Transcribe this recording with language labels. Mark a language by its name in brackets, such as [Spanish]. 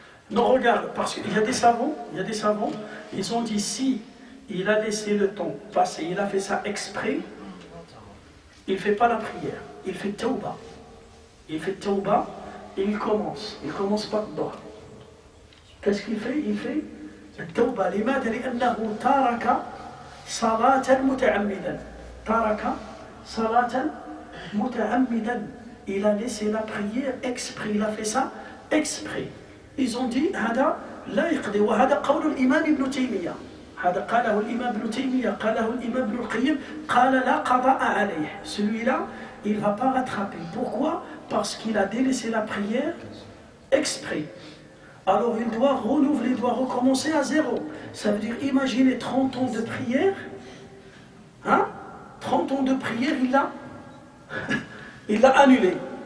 [French] Non, regarde, parce qu'il y a des savants, ils ont dit si il a laissé le temps passer, il a fait ça exprès, il ne fait pas la prière, il fait tauba. Il fait tauba et il commence. Il ne commence pas de dehors. Qu'est-ce qu'il fait? [Arabic] Il fait التوبه لماذا لانه ترك صلاه متعمدا ترك صلاه متعمدا الى [French] laissé la prière exprès il a fait ça exprès ils ont dit [Arabic] هذا لا يقضي وهذا قول الامام ابن تيميه هذا قاله الإمام ابن تيمية قاله الإمام ابن القيم قال لا قضاء عليه [French] celui-là il va pas rattraper pourquoi parce qu'il a délaissé la prière exprès alors il doit renouveler il doit recommencer à zéro ça veut dire imaginez 30 ans de prière hein 30 ans de prière il l'a il l'a annulé